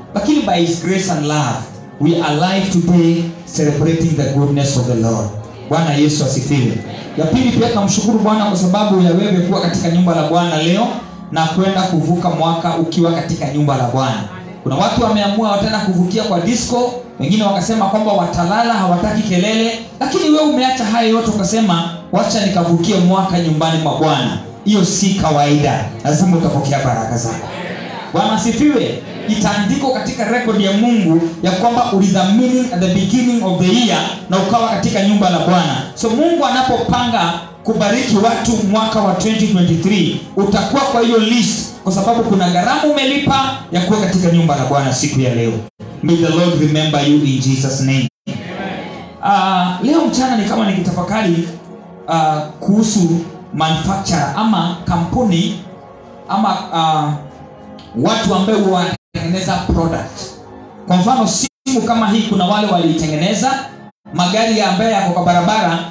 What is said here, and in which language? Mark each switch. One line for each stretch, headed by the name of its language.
English: Lakini by His grace and love, we are alive today celebrating the goodness of the Lord.
Swahili: Bwana Yesu asifiwe. Ya pili pia tunamshukuru Bwana kwa sababu ya wewe kuwa katika nyumba la Bwana leo na kwenda kuvuka mwaka ukiwa katika nyumba la Bwana. Kuna watu wameamua wataenda kuvukia kwa disco, wengine wakasema kwamba watalala hawataki kelele, lakini wewe umeacha haya yote ukasema wacha nikavukie mwaka nyumbani mwa Bwana. Hiyo si kawaida. Lazima utapokea baraka zako. Bwana asifiwe. Itaandikwa katika record ya Mungu ya kwamba ulidhamini
English: at the beginning of the year
Swahili: na ukawa katika nyumba la Bwana. So Mungu anapopanga kubariki watu mwaka wa 2023, utakuwa kwa hiyo list kwa sababu kuna gharama umelipa ya kuwa katika nyumba la Bwana siku ya leo.
English: May the Lord remember you in Jesus name.
Swahili: Leo mchana ni kama nikitafakari kuhusu manufacturer ama kampuni ama watu ambao wanatengeneza product. Kwa mfano simu kama hii, kuna wale waliitengeneza magari ambayo yako kwa barabara.